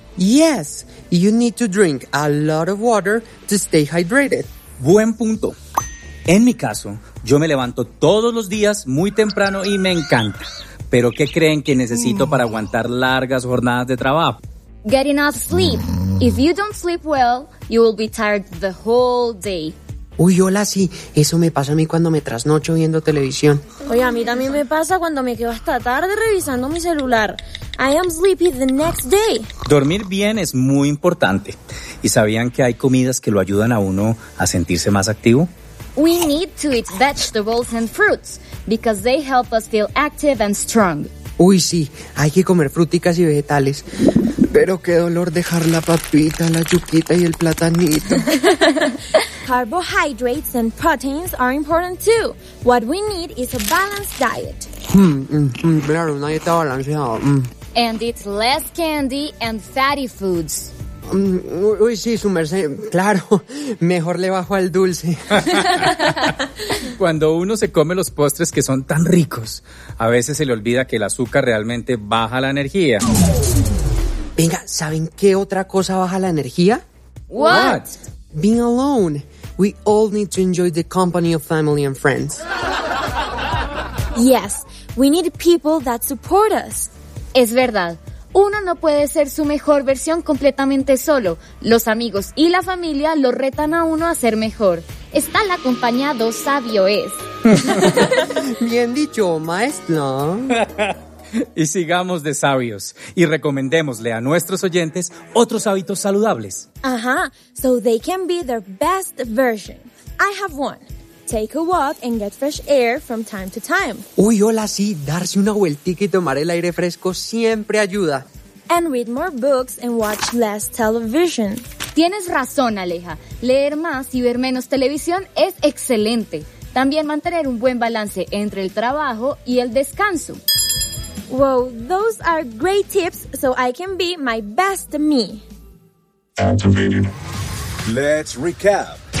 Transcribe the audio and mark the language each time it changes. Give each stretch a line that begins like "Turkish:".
English: Yes, you need to drink a lot of water to stay hydrated.
Spanish: Buen punto. En mi caso, yo me levanto todos los días muy temprano y me encanta. Pero ¿qué creen que necesito para aguantar largas jornadas de trabajo?
English: Get enough sleep. If you don't sleep well, you will be tired the whole day.
Spanish: Uy, hola, sí. Eso me pasa a mí cuando me trasnocho viendo televisión. Oye, a mí también me pasa cuando me quedo hasta tarde revisando mi celular.
English: I am sleepy the next day.
Spanish: Dormir bien es muy importante. ¿Y sabían que hay comidas que lo ayudan a uno a sentirse más activo?
English: We need to eat vegetables and fruits because they help us feel active and strong.
Spanish: Uy, sí. Hay que comer fruticas y vegetales. Pero qué dolor dejar la papita, la yuquita y el platanito.
English: Carbohydrates and proteins are important too. What we need is a balanced diet.
Spanish: Claro, una dieta balanceada.
English: And eat less candy and fatty foods.
Spanish: Uy, sí, su merced. Claro, mejor le bajo al dulce. Cuando uno se come los postres que son tan ricos, a veces se le olvida que el azúcar realmente baja la energía. Venga, ¿saben qué otra cosa baja la energía?
English: What? Being alone. We all need to enjoy the company of family and friends. Yes, we need people that support us.
Spanish: Es verdad. Uno no puede ser su mejor versión completamente solo. Los amigos y la familia lo retan a uno a ser mejor. Estar acompañado sabio es. Bien dicho, maestro. Y sigamos de sabios y recomendémosle a nuestros oyentes otros hábitos saludables.
English: Ajá, so they can be their best version. I have one. Take a walk and get fresh air from time to time.
Spanish: Uy, hola, sí, darse una vueltica y tomar el aire fresco siempre ayuda.
English: And read more books and watch less television.
Spanish: Tienes razón, Aleja. Leer más y ver menos televisión es excelente. También mantener un buen balance entre el trabajo y el descanso.
English: Wow, those are great tips so I can be my best me. Let's recap.